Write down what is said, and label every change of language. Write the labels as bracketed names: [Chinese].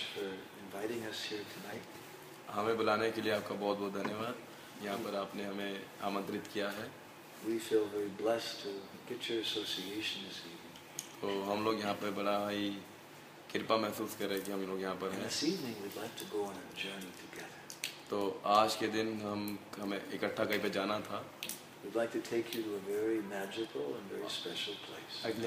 [Hindi] हमें बुलाने के लिए आपका बहुत बहुत धन्यवाद यहाँ पर आपने हमें आमंत्रित किया है [English] We feel very blessed to get your association this evening. [Hindi] तो हम लोग यहाँ पर बड़ा ही कृपा महसूस कर रहे हैं कि हम लोग यहाँ पर हैं [English] this evening we'd like to go on a journey together. [Hindi] तो आज के दिन हमें इकट्ठा कहीं पर जाना था [English] We'd like to take you to a very magical and very special place.